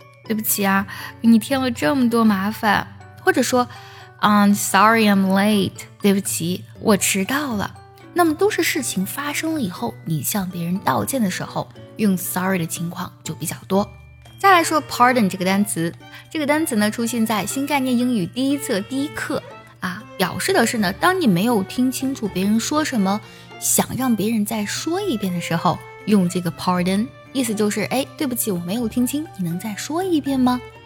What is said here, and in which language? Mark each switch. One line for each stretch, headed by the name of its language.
Chinese: 对不起啊，给你添了这么多麻烦。或者说
English: I'm sorry I'm late.
Chinese: 对不起，我迟到了。那么都是事情发生了以后，你向别人道歉的时候用 sorry 的情况就比较多。再来说 pardon 这个单词，这个单词呢出现在新概念英语第一册第一课啊，表示的是呢，当你没有听清楚别人说什么，想让别人再说一遍的时候，用这个 pardon， 意思就是，哎，对不起，我没有听清，你能再说一遍吗？